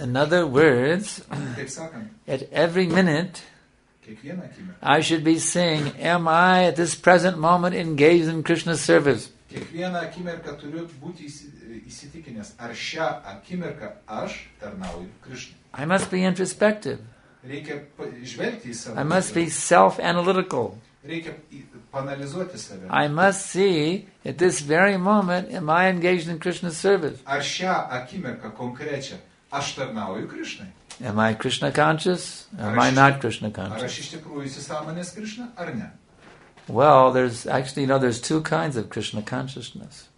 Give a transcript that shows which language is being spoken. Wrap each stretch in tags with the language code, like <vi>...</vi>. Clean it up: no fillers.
<en>In other words,</en> <lt>taip sakant,</lt> <en>at every minute,</en> <lt>kiekvieną akimirką,</lt> <en>I should be saying, am I at this present moment engaged in Krishna's service?</en> <lt>Kiekvieną akimirką turiu būti įsitikinęs, ar šią akimirką aš tarnauju Krishna.</lt> <en>I must be introspective.</en> <lt>Reikia žvelgti į save.</lt> <en>I must be self-analytical.</en> <lt>Reikia panalizuoti save.</lt> <en>I must see, at this very moment, am I engaged in Krishna's service?</en> <lt>Ar šią akimirką konkrečią aš tarnauju Krishnai?</lt> <en>Am I Krishna conscious? Am I not Krishna conscious?</en> <lt>Ar aš iš tikrųjų įsisąmonęs Krishna, ar ne?</lt> <en>Well, there's actually, you know, there's two kinds of Krishna consciousness.</en>